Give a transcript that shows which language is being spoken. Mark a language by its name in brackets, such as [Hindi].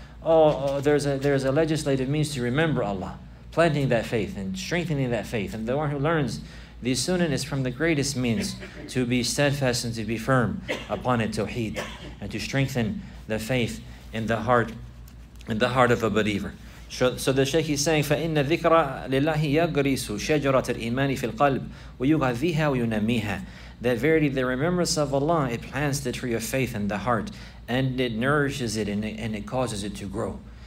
[English] There's a legislative means to remember Allah, planting that faith and strengthening that faith. And the one who learns the sunan is from the greatest means to be steadfast and to be firm upon it, tawheed, and to strengthen the faith in the heart of a believer. So the Shaykh is saying, [Arabic] فَإِنَّ ذِكْرَ لِلَّهِ يَغْرِسُ شَجَرَةَ الْإِيمَانِ فِي الْقَلْبِ وَيُغَذِّيهَا وَيُنَمِّيهَا. [English] That verily the remembrance of Allah, it plants the tree of faith in the heart, and it nourishes it, and it causes it to grow.